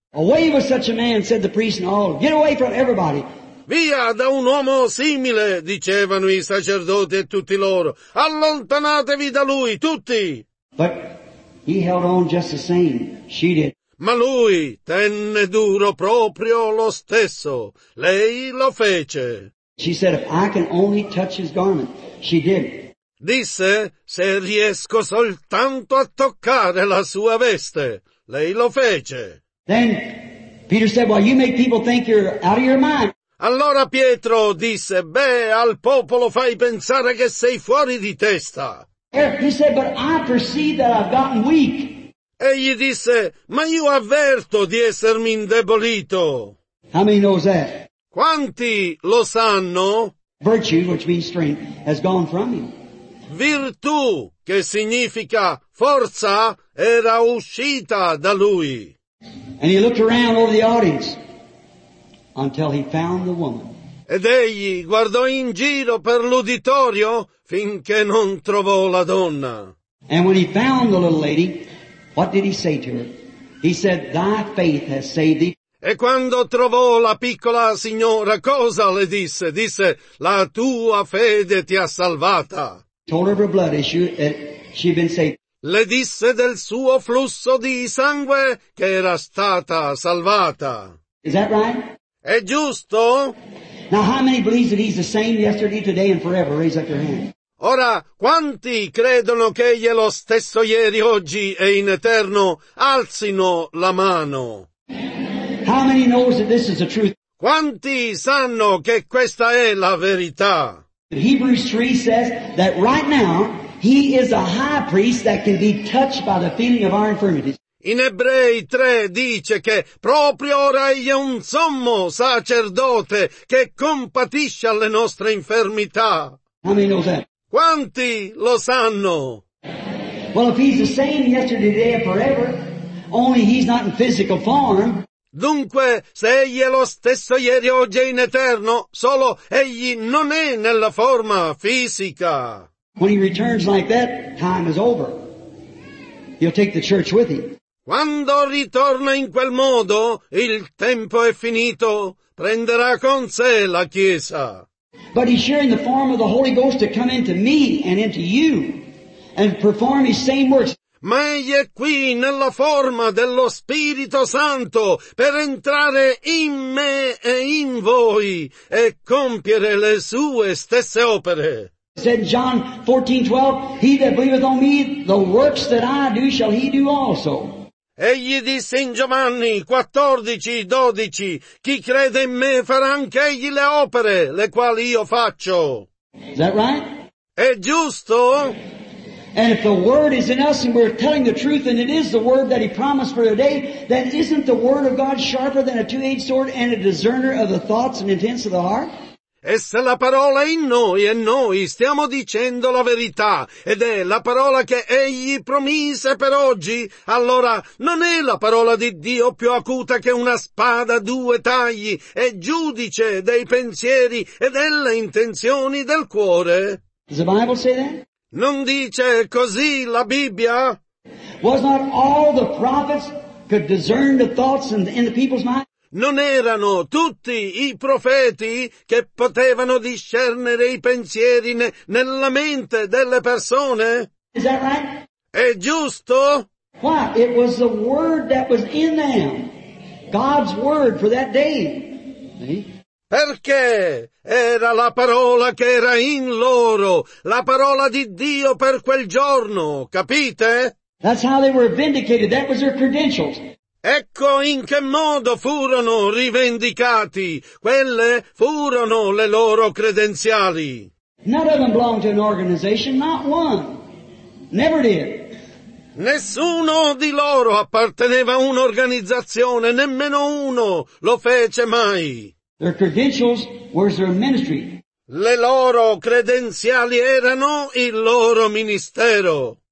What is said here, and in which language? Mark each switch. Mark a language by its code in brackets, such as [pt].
[en] Away with such a man, said the priest and all, get away from everybody! [it] Via da un uomo simile, dicevano i sacerdoti e tutti loro, allontanatevi da lui, tutti! [en] But He held on just the same. She did. [it] Ma lui tenne duro proprio lo stesso. Lei lo fece. [en] She said, if I can only touch his garment. She did. [it] Disse, se riesco soltanto a toccare la sua veste. Lei lo fece. [en] Then Peter said, well, you make people think you're out of your mind. [it] Allora Pietro disse, beh, al popolo fai pensare che sei fuori di testa. [en] He said, but I perceive that I've gotten weak. [it] Egli disse, ma io avverto di essermi indebolito. [en] How many knows that? [it] Quanti lo sanno? [en] Virtue, which means strength, has gone from him. [it] Virtù, che significa forza, era uscita da lui. [en] And he looked around over the audience until he found the woman. [it] Ed egli guardò in giro per l'uditorio finché non trovò la donna. [en] And when he found the little lady, what did he say to her? He said, thy faith has saved thee. [it] E quando trovò la piccola signora, cosa le disse? Disse, la tua fede ti ha salvata. [en] Told her of her blood issue that she'd been saved. [it] Le disse del suo flusso di sangue che era stata salvata. [en] Is that right? [it] È giusto? [en] Now how many believes that he's the same yesterday, today and forever? Raise up your hand. [it] Ora, quanti credono che egli è lo stesso ieri, oggi e in eterno? Alzino la mano. [en] How many knows that this is the truth? [it] Quanti sanno che questa è la verità? [en] Hebrews 3 says that right now he is a high priest that can be touched by the feeling of our infirmities. [it] In Ebrei 3 dice che proprio ora egli è un sommo sacerdote che compatisce alle nostre infermità. [en] How many know that? [it] Quanti lo sanno? [en] Well, if he's the same yesterday, today and forever, only he's not in physical form. [it] Dunque, se egli è lo stesso ieri, oggi e in eterno, solo egli non è nella forma fisica. [en] When he returns like that, time is over. He'll take the church with him. [it] Quando ritorna in quel modo, il tempo è finito, prenderà con sé la Chiesa. [en] But he's sharing the form of the Holy Ghost to come into me and into you and perform his same works. [it] Ma egli è qui nella forma dello Spirito Santo per entrare in me e in voi e compiere le sue stesse opere. [en] Said John 14:12, he that believeth on me, the works that I do shall he do also. [it] Egli disse in Giovanni 14:12, chi crede in me farà anche egli le opere le quali io faccio. [en] Is that right? [it] È giusto? [en] And if the word is in us and we're telling the truth and it is the word that he promised for today, then isn't the word of God sharper than a two-edged sword and a discerner of the thoughts and intents of the heart? [it] E se la parola è in noi e noi stiamo dicendo la verità ed è la parola che egli promise per oggi, allora non è la parola di Dio più acuta che una spada a due tagli, è giudice dei pensieri e delle intenzioni del cuore? [en] Does the Bible say that? [it] Non dice così la Bibbia? [en] Was not all the prophets could discern the thoughts in the people's mind? [it] Non erano tutti i profeti che potevano discernere i pensieri nella mente delle persone? [en] Is that right? [it] È giusto? [en] Why? It was the word that was in them. God's word for that day. [it] Perché era la parola che era in loro, la parola di Dio per quel giorno, capite? [en] That's how they were vindicated. That was their credentials. [it] Ecco in che modo furono rivendicati. Quelle furono le loro credenziali. [en] None of them belonged to an organization, not one. Never did. [it] Nessuno di loro apparteneva a un'organizzazione, nemmeno uno lo fece mai. [en] Their credentials were their ministry. [it] Le loro credenziali erano il loro ministero.